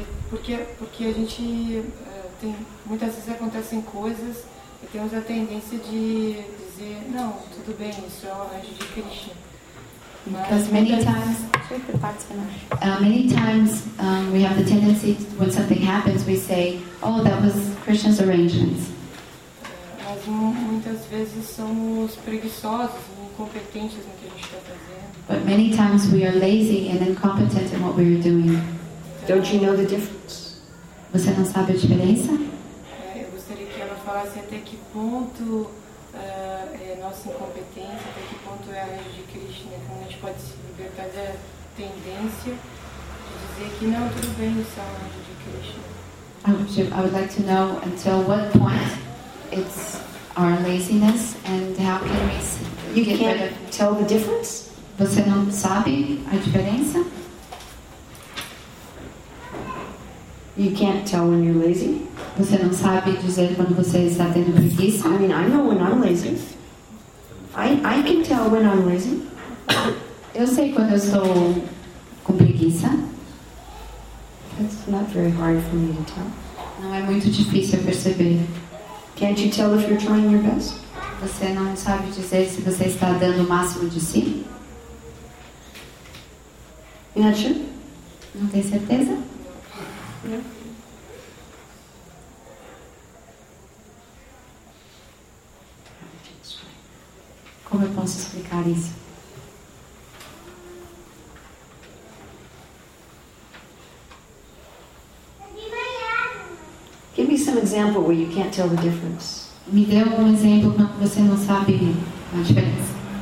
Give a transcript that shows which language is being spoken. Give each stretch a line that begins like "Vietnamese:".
Portuguese: Porque a gente tem, muitas vezes acontecem coisas e temos a tendência de dizer não, tudo bem, isso é um arranjo de Krishna.
English: Because many times we have the tendency to, when something happens we say, oh, that was Krishna's arrangements.
Portuguese: Mas muitas vezes somos preguiçosos, incompetentes no que a gente está fazendo.
English: But many times we are lazy and incompetent in what we are doing. Don't you know the difference?
Portuguese: Você não sabe a diferença? Eu gostaria que ela falasse até que ponto é nossa incompetência, até que ponto é a lei de Krishna, como a gente pode se libertar da tendência de dizer que não, tudo bem, isso é a lei de Krishna.
English: I would like to know until what point it's our laziness and how can we you get can't tell the difference?
Portuguese: Você não sabe a diferença?
English: You can't tell when you're lazy.
Portuguese: Você não sabe dizer quando você está tendo preguiça.
English: I mean, I know when I'm lazy. I can tell when I'm lazy.
Portuguese: Eu sei quando eu estou com preguiça.
English: That's not very hard for me to tell.
Portuguese: Não é muito difícil perceber.
English: Can't you tell if you're trying your best?
Portuguese: Você não sabe dizer se você está dando o máximo de si?
English: You're not sure?
Portuguese: Não tem certeza?
English: Yeah.
Portuguese: Como eu posso explicar isso?
English: Give me some example where you can't tell the difference.
Portuguese: Me dê um exemplo quando você não sabe a diferença.